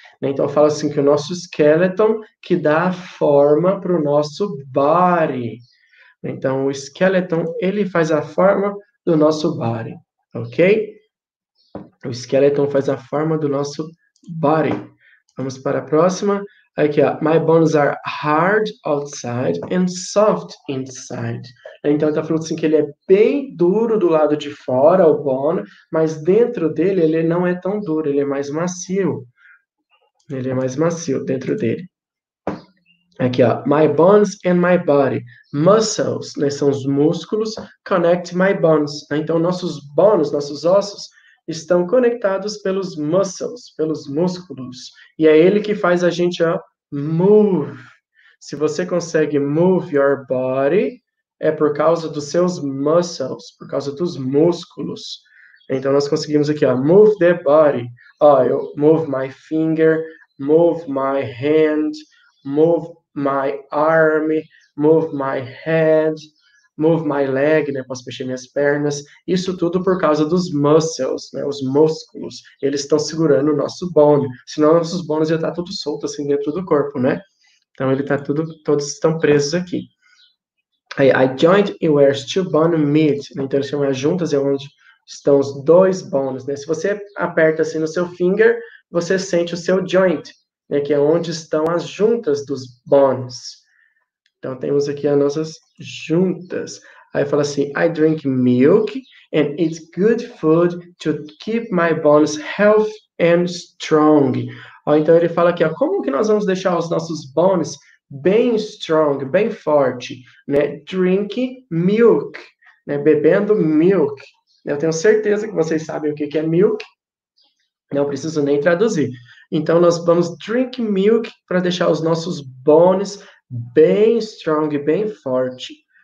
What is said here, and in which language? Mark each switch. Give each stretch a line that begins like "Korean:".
Portuguese: Então, fala assim que o nosso skeleton que dá forma para o nosso body. Então, o skeleton, ele faz a forma do nosso body, ok? O skeleton faz a forma do nosso body. Vamos para a próxima. Aqui, ó.
English: My bones are hard outside and soft inside.
Portuguese: Então, tá falando assim que ele é bem duro do lado de fora, o bone, mas dentro dele ele não é tão duro, ele é mais macio. Ele é mais macio dentro dele. Aqui, ó.
English: My bones and my body. Muscles, né?
Portuguese: São os músculos.
English: Connect my bones.
Portuguese: Então, nossos bones, nossos ossos, estão conectados pelos muscles, pelos músculos. E é ele que faz a gente, ó, move. Se você consegue
English: move your body,
Portuguese: é por causa dos seus muscles, por causa dos músculos. Então nós conseguimos aqui, ó,
English: move the body. Ó, eu move my finger, move my hand, move my arm, move my head, move my leg, né?
Portuguese: Posso mexer minhas pernas. Isso tudo por causa dos muscles, né? Os músculos. Eles estão segurando o nosso bone. Senão, nossos bones já tá tudo solto assim dentro do corpo, né? Então ele tá tudo, todos estão presos aqui.
English: Aí, a joint e where two bones meet.
Portuguese: Né? Então eles chamam as juntas, é onde estão os dois bones, né? Se você aperta assim no seu finger, você sente o seu joint, né? Que é onde estão as juntas dos bones. Então temos aqui as nossas juntas. Aí fala assim:
English: I drink milk and it's good food to keep my bones healthy and strong.
Portuguese: Ó, então ele fala aqui: ó, como que nós vamos deixar os nossos bones bem strong, bem forte, né?
English: Drink milk,
Portuguese: né? Bebendo milk. Eu tenho certeza que vocês sabem o que é milk. Não preciso nem traduzir. Então nós vamos
English: drink milk
Portuguese: para deixar os nossos bones bem strong, bem forte.